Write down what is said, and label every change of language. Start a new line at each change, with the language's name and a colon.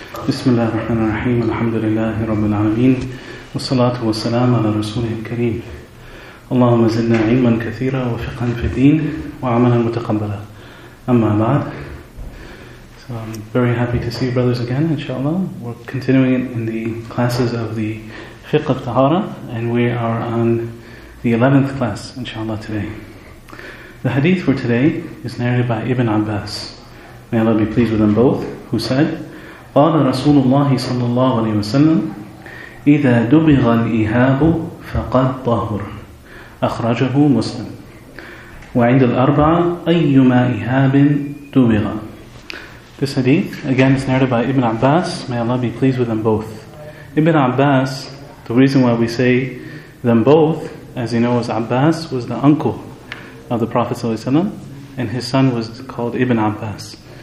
Arabic: بسم الله الرحمن الرحيم الحمد لله رب العالمين والصلاة والسلام على رسوله الكريم اللهم زدنا علما كثيرا وفقها في الدين وعملا متقبلا أما بعد.
English: So I'm very happy to see you brothers again, inshallah. We're continuing in the classes of the Fiqh of Tahara, and we are on the 11th class, inshallah, today. The hadith for today is narrated by Ibn Abbas, may Allah be pleased with them both, who said,
Arabic: قال رسول الله صلى الله عليه وسلم إذا دبغ الإهاب فقد طهر أخرجه مسلم وعند الأربعة أيما إهاب دبغ.
English: This hadith, again, is narrated by Ibn Abbas, may Allah be pleased with them both. Ibn Abbas, the reason why we say them both, as you know, was Abbas, was the uncle of the Prophet ﷺ, and his son was called Ibn Abbas.